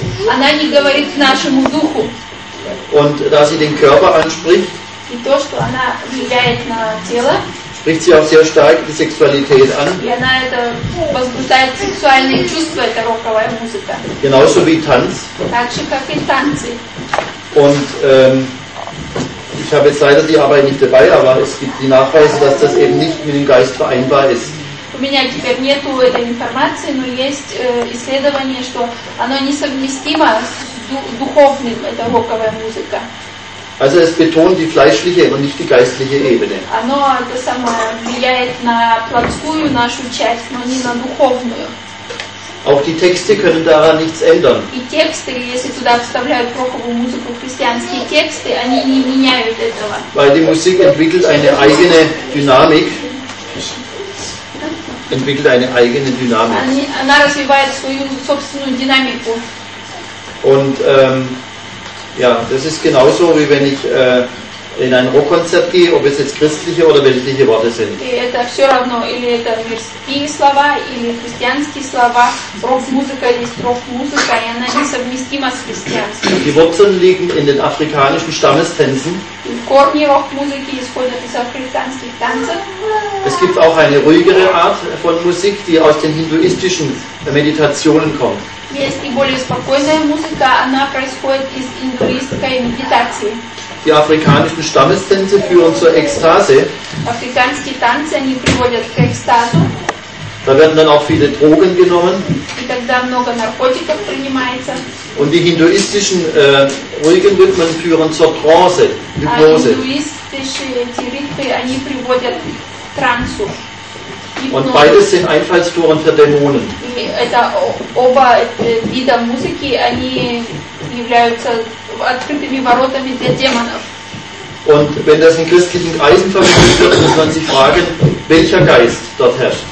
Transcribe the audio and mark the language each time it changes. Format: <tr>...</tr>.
<ru>Она не говорит нашему духу.</ru> <de>Und da sie den Körper anspricht.</de> <ru>И то, что она влияет на тело.</ru> <de>Spricht sie auch sehr stark die Sexualität an.</de> <ru>И она это возбуждает сексуальные чувства, это роковая музыка.</ru> <de>Genauso wie Tanz.</de> <ru>Так же, как и танцы.</ru> <de>Und ich habe jetzt leider die Arbeit nicht dabei, aber es gibt die Nachweise, dass das eben nicht mit dem Geist vereinbar ist.</de> <ru>У меня теперь нету этой информации, но есть исследование, что оно несовместимо с духовным, это роковая музыка.</ru> <de>Also es betont die fleischliche und nicht die geistliche Ebene.</de> <ru>Оно это самое влияет на плотскую нашу часть, но не на духовную.</ru> <de>Auch die Texte können daran nichts ändern.</de> <ru>И тексты, если туда вставляют роковую музыку, христианские тексты, они не меняют этого.</ru> <de>Weil die Musik entwickelt eine eigene Dynamik. Entwickelt eine eigene Dynamik.</de> <ru>Она развивает свою собственную динамику.</ru> <de>Und ja, das ist genauso, wie wenn ich in ein Rockkonzert gehe, ob es jetzt christliche oder weltliche Worte sind.</de> <ru>И это все равно, или это мирские слова, или христианские слова. Рок-музыка есть рок-музыка, и она несовместима с христианством.</ru> <de>Die Wurzeln liegen in den afrikanischen Stammestänzen.</de> <ru>И корни рок-музыки исходят из африканских танцев.</ru> <de>Es gibt auch eine ruhigere Art von Musik, die aus den hinduistischen Meditationen kommt.</de> <ru>Есть и более спокойная музыка, она происходит из индуистской медитации.</ru> <de>Die afrikanischen Stammestänze führen zur Ekstase. Afrikanische Tänze,</de> <ru>они приводят к экстазу.</ru> <de>Da werden dann auch viele Drogen genommen.</de> <ru>И тогда много наркотиков принимается.</ru> <de>Und die hinduistischen ruhigen Rhythmen führen zur Trance, Hypnose. Hinduistische Ritme,</de> <ru>они приводят к трансу.</ru> <de>Und beides sind Einfallstoren für Dämonen.</de> <ru>Это оба вида музыки, они являются открытыми воротами для демонов.</ru> <de>Und wenn das in christlichen Kreisen verwendet wird, muss man sich fragen, welcher Geist dort herrscht.</de>